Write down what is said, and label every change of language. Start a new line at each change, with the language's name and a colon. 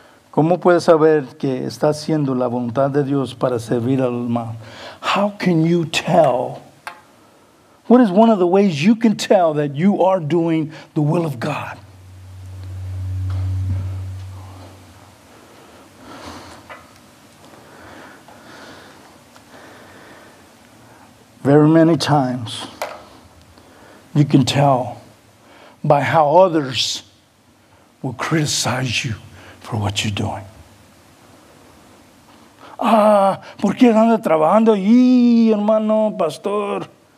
Spanish: ¿Cómo puedes saber que está haciendo la voluntad de Dios para servir al mal?
English: How can you tell? What is one of the ways you can tell that you are doing the will of God? Very many times, you can tell by how others will criticize you for what you're doing.
Spanish: Ah, ¿por qué andas trabajando ahí, hermano, pastor?